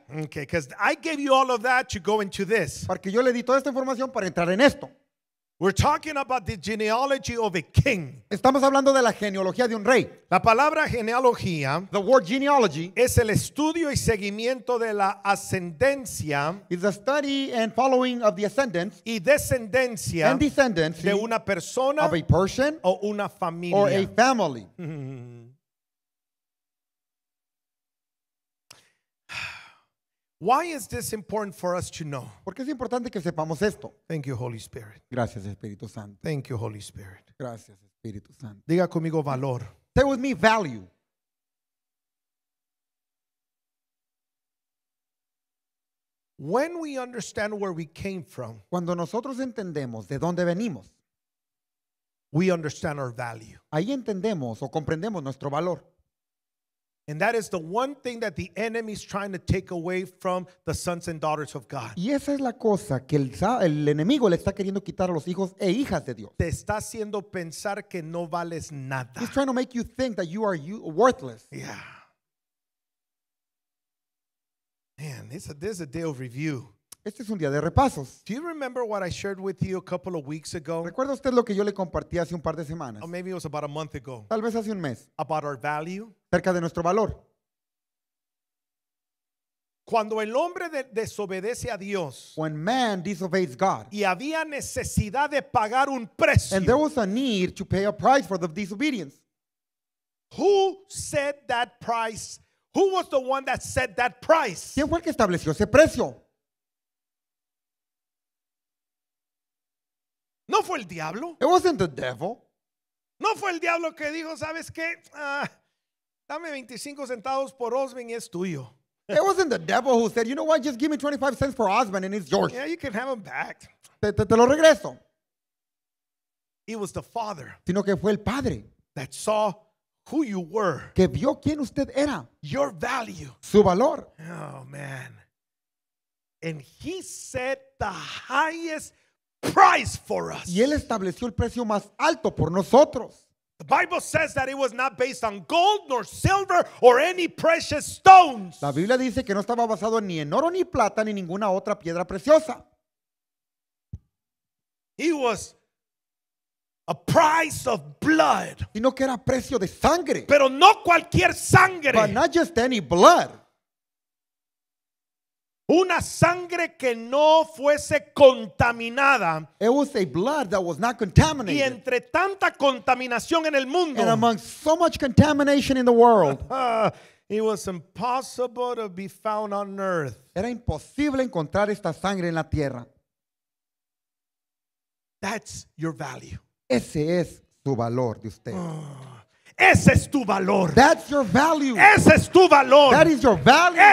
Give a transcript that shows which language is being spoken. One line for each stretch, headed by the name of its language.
English: Okay, because I gave you all of that to go into this.
Spanish: Porque yo le di toda esta información para entrar en esto.
English: We're talking about the genealogy of a king.
Spanish: Estamos hablando de la genealogía de un rey. La palabra genealogía,
English: the word genealogy,
Spanish: es el estudio y seguimiento de la ascendencia,
English: is the study and following of the ascendance,
Spanish: y descendencia,
English: and descendancy,
Spanish: de una persona,
English: of a person,
Spanish: o una familia,
English: or a family. Why is this important for us to know?
Spanish: Porque es importante que sepamos esto.
English: Thank you, Holy Spirit.
Spanish: Gracias, Espíritu Santo.
English: Thank you, Holy Spirit.
Spanish: Gracias, Espíritu Santo. Diga conmigo valor.
English: Say with me value. When we understand where we came from,
Spanish: cuando nosotros entendemos de dónde venimos,
English: we understand our value.
Spanish: Ahí entendemos o comprendemos nuestro valor.
English: And that is the one thing that the enemy is trying to take away from the sons and daughters of God.
Spanish: Y esa es la cosa que el enemigo le está queriendo quitar a los hijos e hijas de Dios. Te está haciendo pensar que no vales nada.
English: He's trying to make you think that you are worthless. Yeah. Man, this is a day of review.
Spanish: Este es un día de repasos.
English: Do you remember what I shared with you a couple of weeks ago?
Spanish: ¿Recuerda usted lo que yo le compartí hace un par de semanas?
English: Or maybe it was about a month ago.
Spanish: Tal vez hace un mes.
English: About our value.
Spanish: Cerca de nuestro valor. Cuando el hombre desobedece a Dios.
English: When man disobeys God.
Spanish: Y había necesidad de pagar un precio.
English: And there was a need to pay a price for the disobedience. Who set that price? Who was the one that set that price?
Spanish: ¿Quién fue el que estableció ese precio? No fue el diablo.
English: It wasn't the devil.
Spanish: No fue el diablo que dijo, ¿sabes qué? Dame 25 centavos por Osmond y es tuyo.
English: It wasn't the devil who said, you know what, just give me 25 cents for Osmond and it's yours. Yeah, you can have him back.
Spanish: Te lo regreso.
English: It was the father.
Spanish: Sino que fue el padre.
English: That saw who you were.
Spanish: Que vio quién usted era.
English: Your value.
Spanish: Su valor.
English: Oh, man. And he set the highest price for us.
Spanish: Y él estableció el precio más alto por nosotros.
English: The Bible says that it was not based on gold nor silver or any precious stones.
Spanish: La Biblia dice que no estaba basado ni en oro ni plata ni ninguna otra piedra preciosa.
English: He was a price of blood.
Spanish: Sino que era precio de sangre. Pero no cualquier sangre.
English: But not just any blood.
Spanish: Una sangre que no fuese contaminada.
English: It was a blood that was not contaminated.
Spanish: Y entre tanta contaminación en el mundo.
English: And among so much contamination in the world. It was impossible to be found on earth.
Spanish: Era imposible encontrar esta sangre en la tierra.
English: That's your value.
Spanish: Ese es su valor de usted. Ese es tu valor.
English: That's your value.
Spanish: Ese es tu valor.
English: That is your value.